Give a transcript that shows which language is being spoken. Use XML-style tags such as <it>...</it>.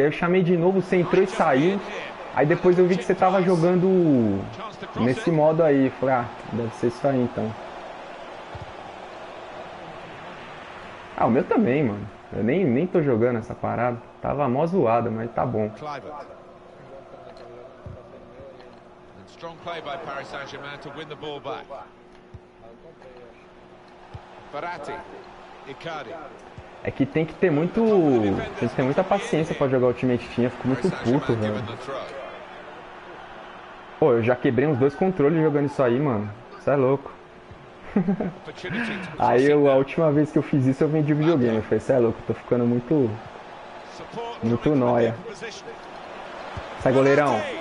<pt>Aí eu chamei de novo, você entrou e saiu. Aí depois eu vi que você tava jogando nesse modo aí. Falei, ah, deve ser isso aí, então. Ah, o meu também, mano. Eu nem tô jogando essa parada. Tava mó zoado, mas tá bom.</pt> <en>Strong play by Paris Saint-Germain to win the ball back. Verratti, Icardi.</en> <pt>É que tem que ter muito, tem que ter muita paciência para jogar Ultimate Team, eu fico muito puto, velho. Pô, eu já quebrei uns dois controles jogando isso aí, mano. Isso é louco. Aí eu, a última vez que eu fiz isso, eu vendi o videogame. Eu falei, isso é louco, tô ficando muito noia. Sai, goleirão.</pt>